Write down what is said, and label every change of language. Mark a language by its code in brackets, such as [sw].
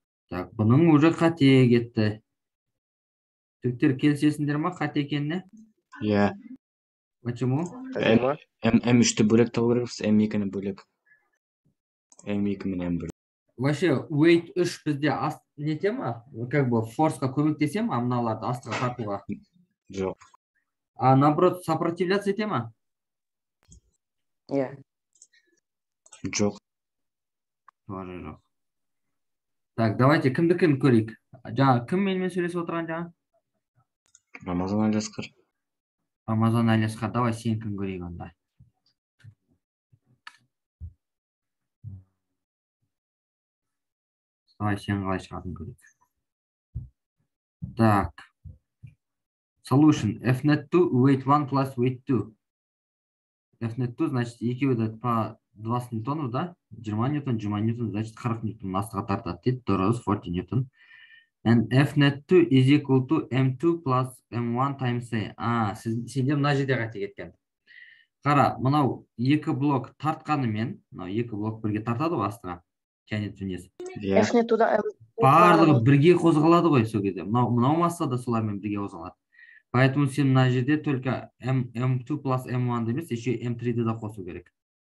[kk] Так, бұның уже қате кетті. Түріктер келісесіндер ма қате екеніне? Иә. [en] Yeah. [ru] Почему? [kk] М3-ті бөлек табу керек, М2-ні бөлек. М2 мен М1. Вообще, weight 3 бізде аст... не те ма? [ru] Как бы [kk] форсқа көмектесе ма, а мыналарды астыға тартуға? Жоқ. [ru] А наоборот, сопротивляться [kk] те ма? [en] Yeah. [kk] Жоқ. Тоже жоқ. [ru] Так, давайте [kk] кімді кім көрейік. Жаңа кім менімен сөйлесіп отырған жаңа? Рамазан Алиасқар. Рамазан Алиасқар, давай сен кім көрейік онда. Давай сен қалай шығатын көрейік. [en] Так. Solution. Fnet 2, weight 1 plus weight 2. [kk] Fnet 2, значит, екеуі да [ru] по 20 ньютонов, [kk] да? 20 ньютон, 20 ньютон, значит, 40 ньютон астыға тартады, дейді. Дұрыс, 40 ньютон. [en] And Fnet 2 is equal to M2 plus M1 times A. [kk] А, сенде мына жерде қате кеткен. Қара, мынау екі блок тартқанымен, мынау екі блок бірге тартады ғой астыға. Және түнес. Fnet 2-да барлығы бірге қозғалады ғой сол кезде. Мынау масса да солармен бірге қозғалады. Поэтому сен мына жерде только M2 plus M1 емес, еще M3-ді де қосу керек.